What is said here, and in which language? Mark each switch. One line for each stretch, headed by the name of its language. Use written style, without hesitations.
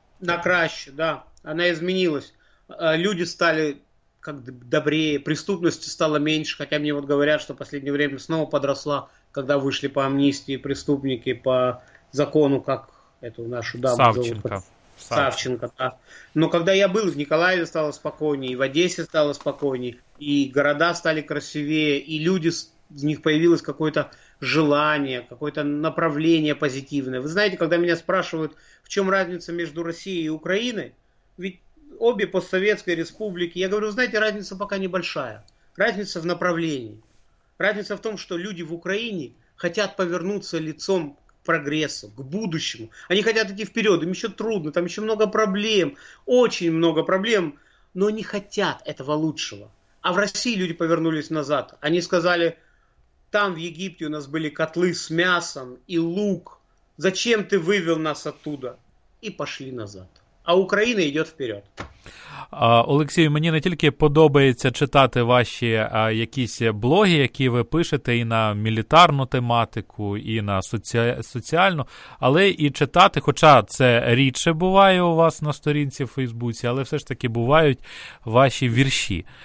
Ukrainian: На краще, да. Вона змінилась. Люди стали як добрее, преступності стало менше, хоча мені от говорять, що останнє час знову подросла, коли вийшли по амністії преступники, по закону,
Russian: как эту нашу даму
Ukrainian: Савченко.
Russian: Зовут. Савченко. Да. Но когда я был, в Николаеве стало спокойнее, и в Одессе стало спокойнее, и города стали красивее, и люди, в них появилось какое-то желание, какое-то направление позитивное. Вы знаете, когда меня спрашивают, в чем разница между Россией и Украиной, ведь обе постсоветской республики, я говорю, знаете, разница пока небольшая. Разница в направлении. Разница в том, что люди в Украине хотят повернуться лицом прогрессу, к будущему. Они хотят идти вперед, им еще трудно, там еще много проблем, очень много проблем, но они хотят этого лучшего. А в России люди повернулись назад. Они сказали, там в Египте у нас были котлы с мясом и лук. Зачем ты вывел нас оттуда? И пошли назад.
Ukrainian: а Україна йде вперед. Олексію, мені не тільки подобається читати ваші якісь блоги, які ви пишете і на мілітарну тематику, і на соціальну, але і читати, хоча це рідше буває у вас на сторінці в Фейсбуці, але все ж таки бувають ваші вірші.